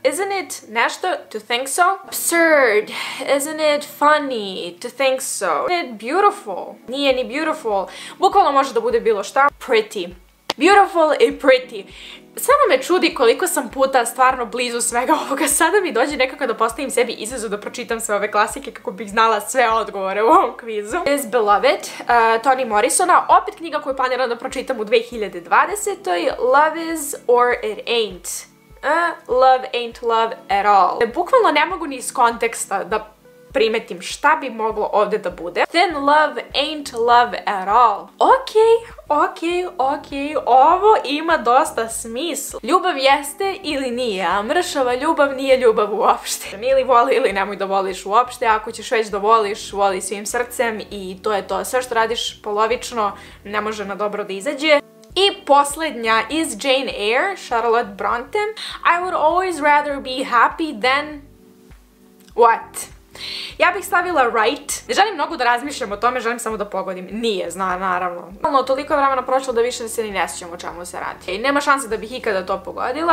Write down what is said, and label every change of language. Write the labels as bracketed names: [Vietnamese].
[English] Isn't it [Serbian] nešto [English] to think so? Absurd. Isn't it funny to think so? Isn't it beautiful? [Serbian] Nije ni [English] beautiful. [Serbian] Bukvalno može da bude bilo šta. [English] Pretty. Beautiful [Serbian] i [English] pretty. [Serbian] Samo me čudi koliko sam puta stvarno blizu svega ovoga. Sada mi dođe nekako da postavim sebi izazov da pročitam sve ove klasike kako bih znala sve odgovore u ovom kvizu. Is Beloved, Toni Morrisona. Opet knjiga koju planiram da pročitam u 2020. [English] Love is or it ain't. Love ain't love at all. [Serbian] Bukvalno ne mogu ni iz konteksta da primetim šta bi moglo ovde da bude. [English] Then love ain't love at all. [Serbian] Okej, okej, okej, ovo ima dosta smisla. Ljubav jeste ili nije, a mršava ljubav nije ljubav uopšte. Ili voli ili nemoj da voliš uopšte, ako ćeš već da voliš, voli svim srcem i to je to. Sve što radiš polovično ne može na dobro da izađe. I posljednja iz Jane Eyre, Charlotte Bronte. [English] I would always rather be happy than... What? [Serbian] Ja bih stavila [English] right. [Serbian] Ne želim mnogo da razmišljam o tome, želim samo da pogodim. Nije, zna, naravno. Ono, toliko je vremena prošlo da više se ni ne sjećam o čemu se radi. I nema šanse da bih ikada to pogodila.